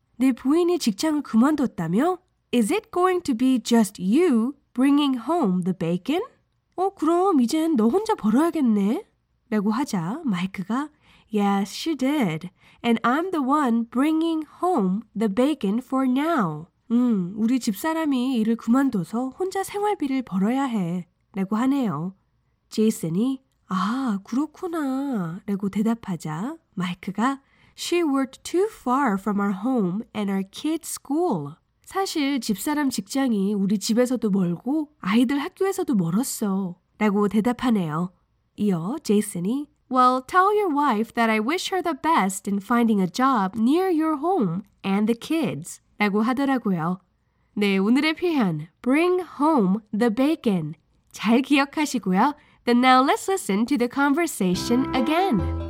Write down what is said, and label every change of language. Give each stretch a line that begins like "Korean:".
Korean: 내 부인이 직장을 그만뒀다며?
English: Is it going to be just you bringing home the bacon?
Korean: 그럼 이젠 너 혼자 벌어야겠네? 라고 하자 마이크가
English: Yes, she did. And I'm the one bringing home the bacon for now.
Korean: 우리 집사람이 일을 그만둬서 혼자 생활비를 벌어야 해. 라고 하네요. 제이슨이 아, 그렇구나. 라고 대답하자 마이크가
English: She worked too far from our home and our kids' school.
Korean: 사실 집사람 직장이 우리 집에서도 멀고 아이들 학교에서도 멀었어. 라고 대답하네요. 이어 제이슨이
English: Well, tell your wife that I wish her the best in finding a job near your home and the kids.
Korean: 라고 하더라고요. 네, 오늘의 표현
English: Bring home the bacon.
Korean: 잘 기억하시고요.
English: Then now let's listen to the conversation again.